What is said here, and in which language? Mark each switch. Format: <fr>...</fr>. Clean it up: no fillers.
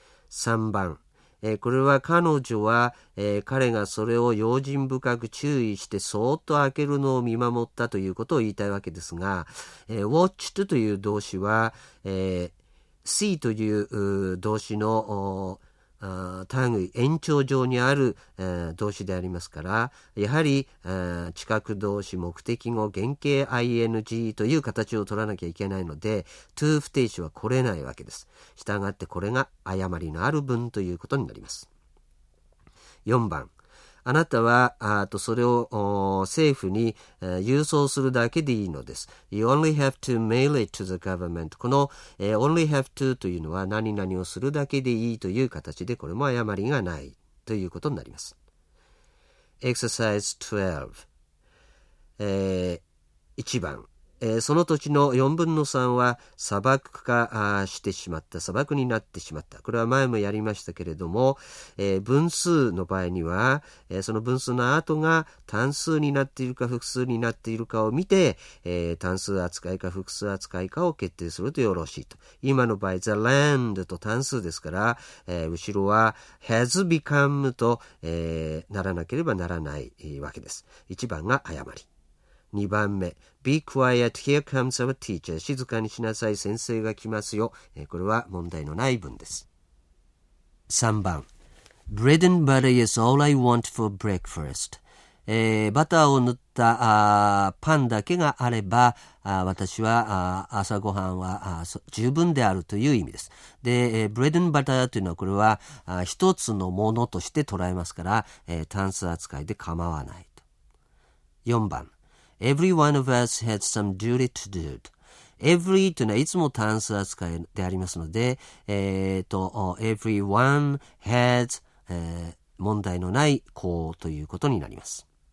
<ja>3番、これは彼女は、彼がそれを用心深く注意してそーっと開けるのを見守ったということを言いたいわけですが、watched という動詞は、see という動詞の単位延長上にある、動詞でありますから、やはり、近く動詞目的語原形 ing という形を取らなきゃいけないので、 to 不定詞は来れないわけです。したがってこれが誤りのある文ということになります。 4番、あなたはそれを政府に郵送するだけでいいのです。</ja> <en>You only have to mail it to the government。</en> <ja>この</ja> <en>only have to</en> <ja>というのは何々をするだけでいいという形で、これも誤りがないということになります。 Exercise 12、1番、その土地の4分の3は砂漠化してしまった、砂漠になってしまった。これは前もやりましたけれども、分数の場合には、その分数の後が単数になっているか複数になっているかを見て、単数扱いか複数扱いかを決定するとよろしいと。今の場合</ja> <en>the land</en> <ja>と単数ですから、後ろは</ja> <en>has become</en> <ja>と、ならなければならないわけです。 1番が誤り。 2番目、</ja> <en>Be quiet, here comes our teacher.</en> <ja>静かにしなさい、先生が来ますよ。これは問題のない文です。 3番、</ja> <en>Bread and butter is all I want for breakfast.</en> <ja>バターを塗ったパンだけがあれば、私は朝ごはんは十分であるという意味です。で、</ja> <en>Bread and butter</en> <ja>というのは、これは一つのものとして捉えますから、単数扱いで構わないと。 4番、</ja> <en>Every one of us has some duty to do.</en> <ja>Every というのはいつも単数扱いでありますので、</ja> <en>Everyone has、</en> <ja>問題のない子ということになります。</ja>